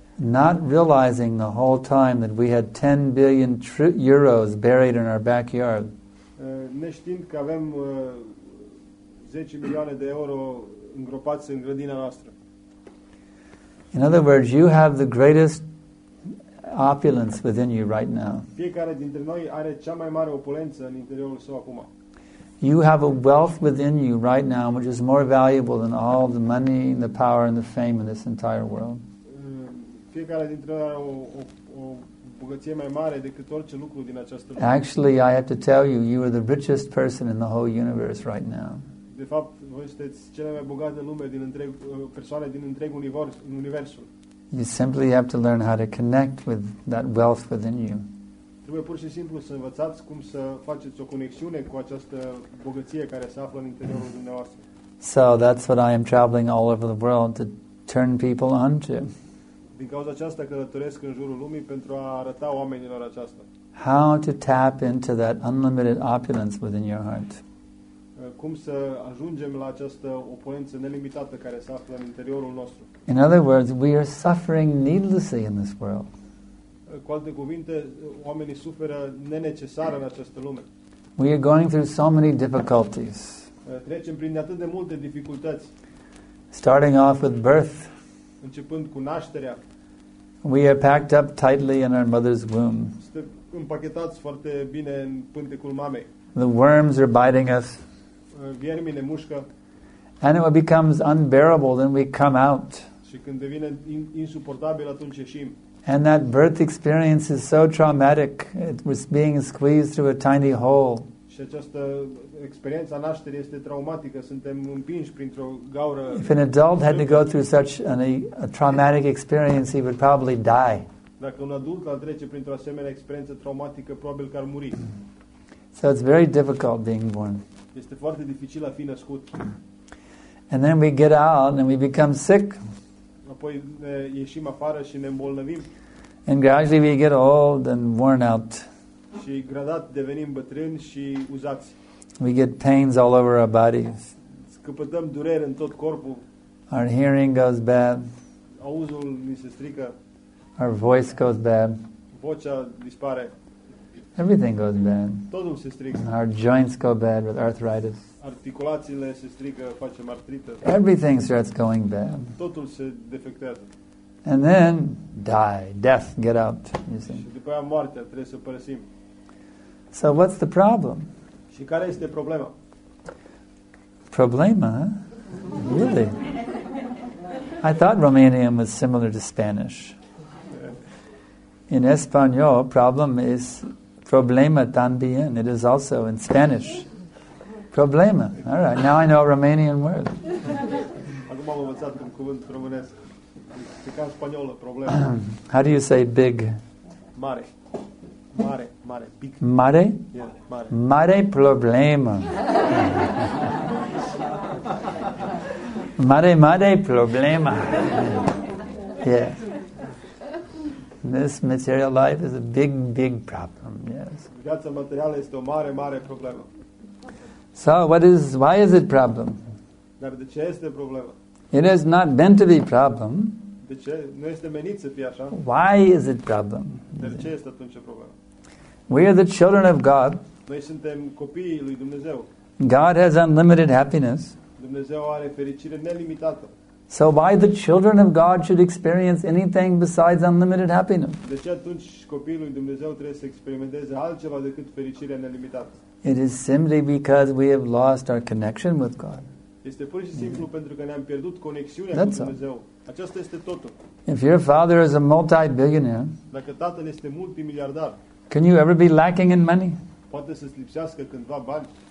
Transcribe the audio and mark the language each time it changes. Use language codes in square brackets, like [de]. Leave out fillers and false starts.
[en] Not realizing the whole time that we had 10 billion euros buried in our backyard. [ro] Neștiind că avem 10 milioane de euro îngropați în grădina noastră. [en] In other words, you have the greatest opulence within you right now. [ro] Fiecare dintre noi are cea mai mare opulență în interiorul său acum. [en] You have a wealth within you right now which is more valuable than all the money and the power and the fame in this entire world. [ro] Fiecare dintre noi are o bogăție mai mare decât orice lucru din această lume. [en] Actually, I have to tell you, you are the richest person in the whole universe right now. [ro] De fapt, voi sunteți cele mai bogate lume din întreg persoane din întreg univers, în universul. [en] You simply have to learn how to connect with that wealth within you. [ro] Trebuie pur și simplu să învățați cum să faceți o conexiune cu această bogăție care se află în interiorul dumneavoastră. [en] So that's what I am traveling all over the world to turn people on to. [ro] Din cauza aceasta călătoresc în jurul lumii pentru a arăta oamenilor aceasta. [en] How to tap into that unlimited opulence within your heart. [ro] Cum să ajungem la această opulență nelimitată care se află în interiorul nostru. [en] In other words, we are suffering needlessly in this world. [ro] Cu alte cuvinte, oamenii suferă nenecesar în această lume. [en] We are going through so many difficulties. [ro] Trecem prin atât de multe dificultăți. [en] Starting off with birth. [ro] Începând cu nașterea. [en] We are packed up tightly in our mother's womb. [ro] Suntem împachetați foarte bine în pântecul mamei. [en] The worms are biting us. [ro] Viermile mușcă. [en] And it becomes unbearable, then we come out. [ro] Și când devine insuportabil, atunci ieșim. [en] And that birth experience is so traumatic. It was being squeezed through a tiny hole. [ro] Și această experiență a nașterii este traumatică. Suntem împinși printr-o gaură. [en] If an adult had to go through such a traumatic experience, he would probably die. [ro] Dacă un adult ar trece printr-o asemenea experiență traumatică, probabil că ar muri. [en] So it's very difficult being born. [ro] Este foarte dificil a fi născut. [en] And then we get out and we become sick. [ro] Apoi ieșim afară și ne îmbolnăvim. [en] And gradually we get old and worn out. [ro] Și gradat devenim bătrâni și uzați. [en] We get pains all over our bodies. [ro] Scăpătăm dureri în tot corpul. [en] Our hearing goes bad. [ro] Auzul ni se strică. [en] Our voice goes bad. [ro] Vocea dispare. [en] Everything goes bad. [ro] Totul se strică. [en] And our joints go bad with arthritis. [ro] Articulațiile se strică, facem artrită. [en] Everything starts going bad. [ro] Totul se defectează. [en] And then die, death, get out, you see. [ro] Și după aia moartea, trebuie să părăsim. [en] So what's the problem? [ro] Și care este problema? [en] Problema? Really? I thought Romanian was similar to Spanish. In Espanol, problem is problema también. It is also in Spanish. Problema. All right. Now I know a Romanian word. [ro] Acum am învățat un cuvânt românesc. Se ca în spaniolă, problema. [en] How do you say big? [ro] Mare. Mare, mare, big. Mare? [en] Yeah, mare. [ro] Mare problema. Mare, mare problema. Yeah. [en] This material life is a big, big problem. Yes. [ro] Viața materială este o mare, mare problemă. [en] So what is, why is it problem? [ro] Dar de ce este problema? [en] It has not been to be problem. [ro] De ce? Nu este menit să fie așa. [en] Why is it problem? [ro] De ce este atunci problema? [en] We are the children of God. [ro] Noi suntem copiii lui Dumnezeu. [en] God has unlimited happiness. [ro] Dumnezeu are fericire nelimitată. [en] So why the children of God should experience anything besides unlimited happiness? [ro] De ce atunci copiii lui Dumnezeu trebuie să experimenteze altceva decât fericire nelimitată? [en] It is simply because we have lost our connection with God. [ro] Este pur și simplu pentru că ne-am pierdut conexiunea cu Dumnezeu. Aceasta este totul. [en] If your father is a multi-billionaire, [ro] dacă tatăl este multimiliardar, [en] can you ever be lacking in money? [ro] Poate să-ți lipsească cândva bani.